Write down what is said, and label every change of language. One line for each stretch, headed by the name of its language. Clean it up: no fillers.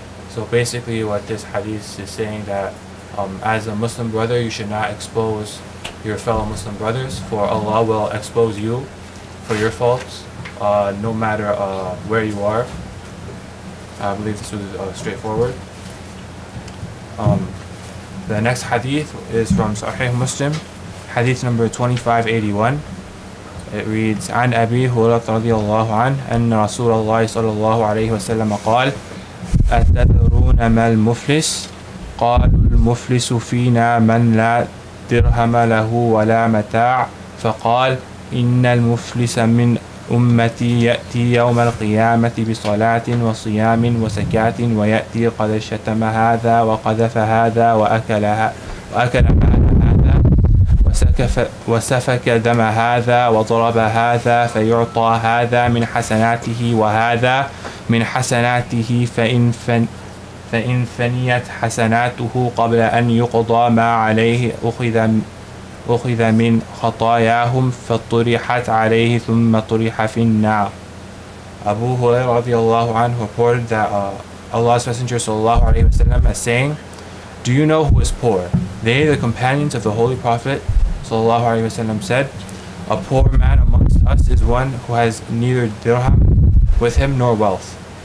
English: So basically what this hadith is saying, that as a Muslim brother, you should not expose your fellow Muslim brothers, for Allah will expose you for your faults, no matter where you are. I believe this was straightforward. The next hadith is from Sahih Muslim, hadith number 2581. It reads,
Arabic: عن أبي هريرة رضي الله عنه أن رسول الله صلى الله عليه وسلم قال أتدرون ما المفلس؟ قالوا المفلس فينا من لا درهم له ولا متاع. فقال إن المفلس من أمتي يأتي يوم القيامة بصلاة وصيام وزكاة ويأتي قد شتم هذا وقذف هذا وأكل مال هذا وسفك دم هذا وضرب هذا فيعطى هذا من حسناته وهذا من حسناته فإن فنيت حسناته قبل أن يقضى ما عليه أخذ من خطاياهم فطرحت عليه ثم طرح في النار.
English: Abu Hurairah radiallahu anhu reported that Allah's Messenger sallallahu alayhi wasallam is saying, do you know who is poor? They, the companions of the Holy Prophet sallallahu alayhi wasallam, said, a poor man amongst us is one who has neither dirham with him nor wealth.